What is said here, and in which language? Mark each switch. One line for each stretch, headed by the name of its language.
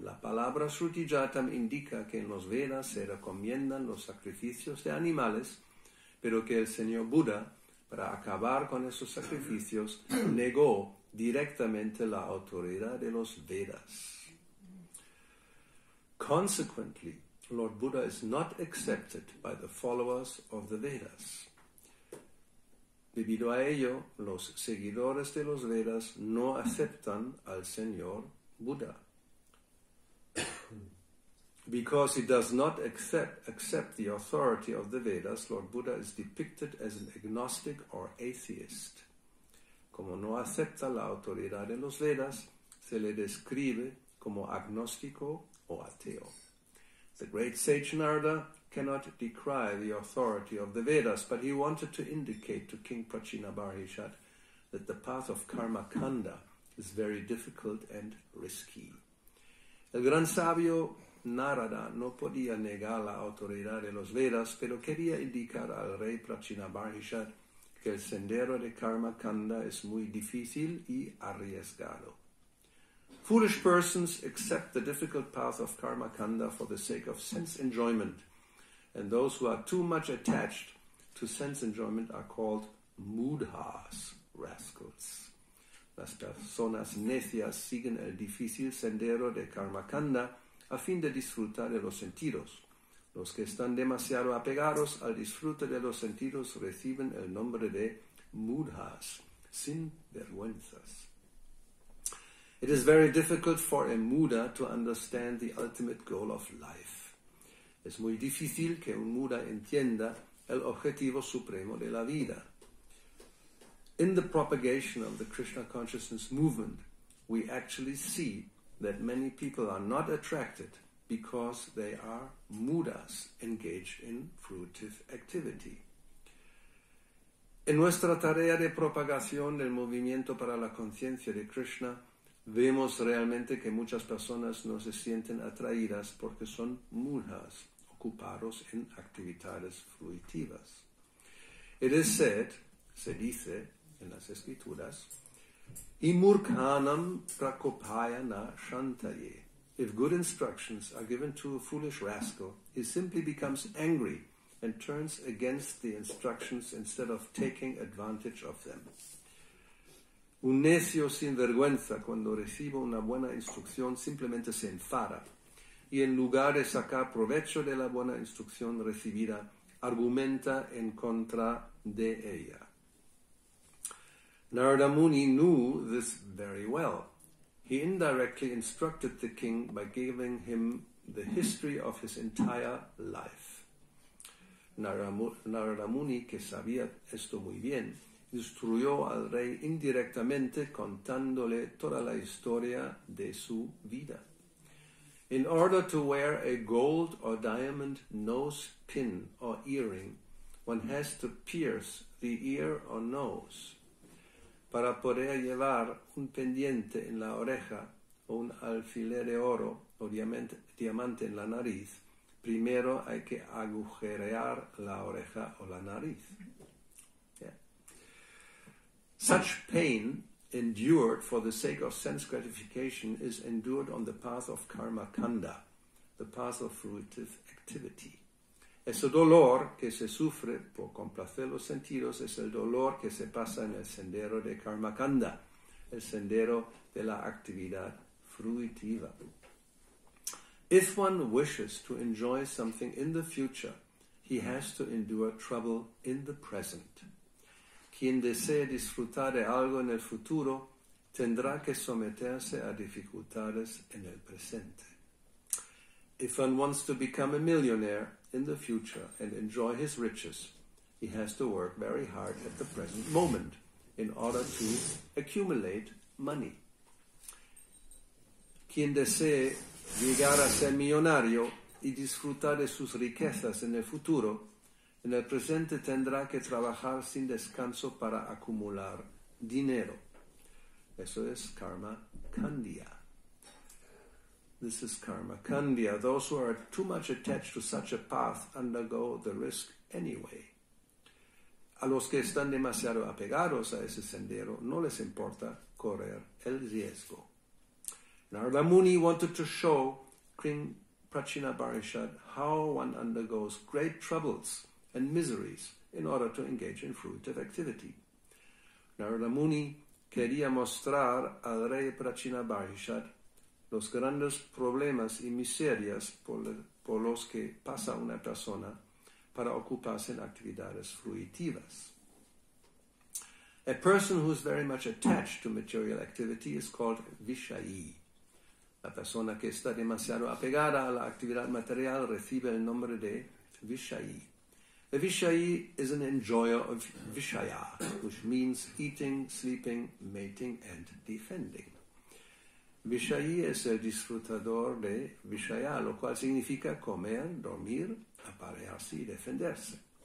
Spanish: La palabra shruti jatam indica que en los Vedas se recomiendan los sacrificios de animales, pero que el señor Buda, para acabar con esos sacrificios, negó directamente la autoridad de los Vedas.
English: Consequently, Lord Buddha is not accepted by the followers of the Vedas.
Spanish: Debido a ello, los seguidores de los Vedas no aceptan al Señor Buda.
English: Because he does not accept the authority of the Vedas, Lord Buddha is depicted as an agnostic or atheist.
Spanish: Como no acepta la autoridad de los Vedas, se le describe como agnóstico o ateo.
English: The great sage Narada cannot decry the authority of the Vedas, but he wanted to indicate to King Prachinabhrishat that the path of Karmakanda is very difficult and risky.
Spanish: El gran sabio Narada no podía negar la autoridad de los Vedas, pero quería indicar al rey Prachinabhrishat que el sendero de Karmakanda es muy difícil y arriesgado.
English: Foolish persons accept the difficult path of Karmakanda for the sake of sense enjoyment. And those who are too much attached to sense enjoyment are called mudhas, rascals.
Spanish: Las personas necias siguen el difícil sendero de Karmakanda a fin de disfrutar de los sentidos. Los que están demasiado apegados al disfrute de los sentidos reciben el nombre de mudhas, sin vergüenzas.
English: It is very difficult for a muda to understand the ultimate goal of life.
Spanish: Es muy difícil que un muda entienda el objetivo supremo de la vida.
English: In the propagation of the Krishna consciousness movement, we actually see that many people are not attracted because they are mudas engaged in fruitive activity.
Spanish: En nuestra tarea de propagación del movimiento para la conciencia de Krishna, vemos realmente que muchas personas no se sienten atraídas porque son mudas, ocupados en actividades fruitivas.
English: It is said,
Spanish: se dice en las escrituras,
Sanskrit: Imurkhanam prakopaya na shantaye.
English: If good instructions are given to a foolish rascal, he simply becomes angry and turns against the instructions instead of taking advantage of them.
Spanish: Un necio sin vergüenza cuando recibe una buena instrucción simplemente se enfada. Y en lugar de sacar provecho de la buena instrucción recibida, argumenta en contra de ella.
English: Narada Muni knew this very well. He indirectly instructed the king by giving him the history of his entire life.
Spanish: Narada Muni, que sabía esto muy bien, instruyó al rey indirectamente contándole toda la historia de su vida.
English: In order to wear a gold or diamond nose pin or earring, one has to pierce the ear or nose.
Spanish: Para poder llevar un pendiente en la oreja o un alfiler de oro o diamante en la nariz, primero hay que agujerear la oreja o la nariz. Yeah.
English: Such pain endured for the sake of sense gratification is endured on the path of Karmakanda, the path of fruitive activity.
Spanish: Ese dolor que se sufre por complacer los sentidos es el dolor que se pasa en el sendero de Karmakanda, el sendero de la actividad fruitiva.
English: If one wishes to enjoy something in the future, he has to endure trouble in the present.
Spanish: Quien desee disfrutar de algo en el futuro tendrá que someterse a dificultades en el presente.
English: If one wants to become a millionaire in the future and enjoy his riches, he has to work very hard at the present moment in order to accumulate money.
Spanish: Quien desee llegar a ser millonario y disfrutar de sus riquezas en el futuro, en el presente tendrá que trabajar sin descanso para acumular dinero. Eso es karma kandia.
English: This is karma kandia. Those who are too much attached to such a path undergo the risk anyway.
Spanish: A los que están demasiado apegados a ese sendero, no les importa correr el riesgo.
English: Narada Muni wanted to show King Prachinabarishad how one undergoes great troubles and miseries in order to engage in fruitive activity.
Spanish: Narada Muni quería mostrar al rey Prachinabarishad los grandes problemas y miserias por los que pasa una persona para ocuparse en actividades fruitivas.
English: A person who is very much attached to material activity is called Vishayi.
Spanish: La persona que está demasiado apegada a la actividad material recibe el nombre de Vishayi.
English: A Vishayi is an enjoyer of Vishaya, which means eating, sleeping, mating, and defending.
Spanish: Vishayi es el disfrutador de Vishaya, lo cual significa comer, dormir, aparearse y defenderse.